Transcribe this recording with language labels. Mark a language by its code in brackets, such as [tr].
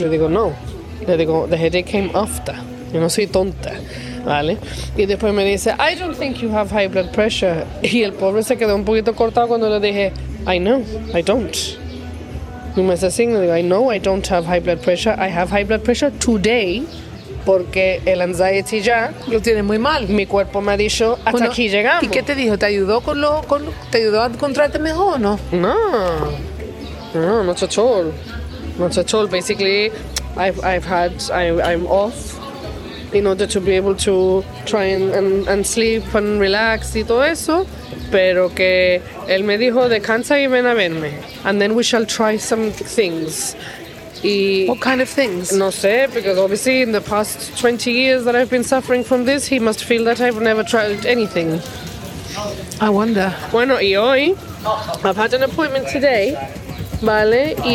[es] Le digo, no. Le digo, [en] the headache came after. [es] Yo no soy tonta. ¿Vale? Y después me dice, [en] I don't think you have high blood pressure. [es] Y el pobre se quedó un poquito cortado cuando le dije, [en] I know, I don't. [es] Y me está diciendo, [en] I know I don't have high blood pressure. I have high blood pressure today. [es] Porque el anxiety ya... Lo tiene muy mal. Mi cuerpo me ha dicho, hasta bueno, aquí llegamos. ¿Y qué te dijo? ¿Te ayudó te ayudó a encontrarte mejor o no? [en] No. No, not at all. Not at all. Basically, I'm off in order to be able to try and sleep and relax [es] y todo eso. Pero que él me dijo, descansa y ven a verme. [en] And then we shall try some things. What kind of things? [es] No sé, [en] because obviously in the past 20 years that I've been suffering from this, he must feel that I've never tried anything. I wonder. [es] Bueno, y hoy, [en] I've had an appointment today, ¿vale?